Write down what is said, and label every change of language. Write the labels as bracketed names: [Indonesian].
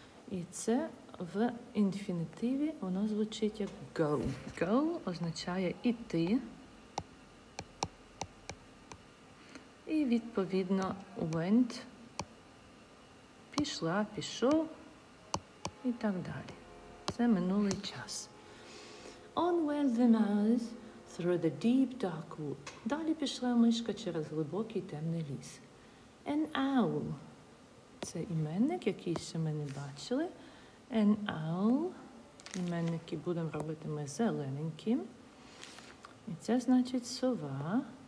[Ukrainian] І це в інфінітиві воно звучить як go. Go означає іти. І відповідно went, пішла, пішов і так далі. Це минулий час. [English] On went the mouse through the deep dark wood. [Ukrainian] Далі пішла мишка через глибокий темний ліс. [English] An owl. [Ukrainian] Це іменник, який ще ми не бачили. [English] An owl. [Ukrainian] Іменники будемо робити ми зелененьким. І це значить сова.